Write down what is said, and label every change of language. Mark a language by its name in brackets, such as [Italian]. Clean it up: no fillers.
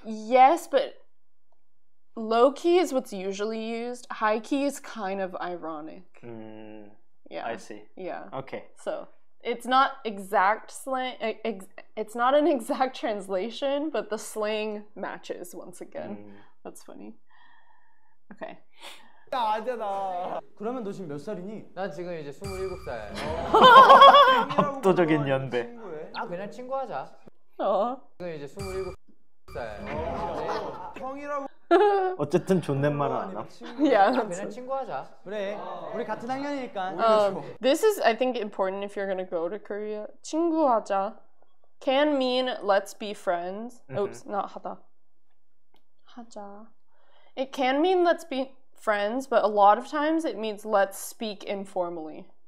[English] Yes, but low key is what's usually used. High key is kind of ironic. Mm. Yeah. I see. Yeah. Okay. So, it's not exact slang. It's not an exact translation, but the slang matches once again. Mm. That's funny. Okay. [Korean] 야, 아재다. 그러면 너 지금 몇 살이니? 나 지금 이제 27살. 압도적인 연배. 아, 그냥 친구하자. 어. 지금 이제 27살. 형이라고. 어쨌든 존댓말 안 나. [English] Yeah, [Korean] 그냥 친구하자. 그래, 우리 같은 학년이니까. [English] This is, I think, important if you're gonna go to Korea. 친구하자 can mean let's be friends. Oops, not 하다. 하자. It can mean let's be friends, but a lot of times it means let's speak informally.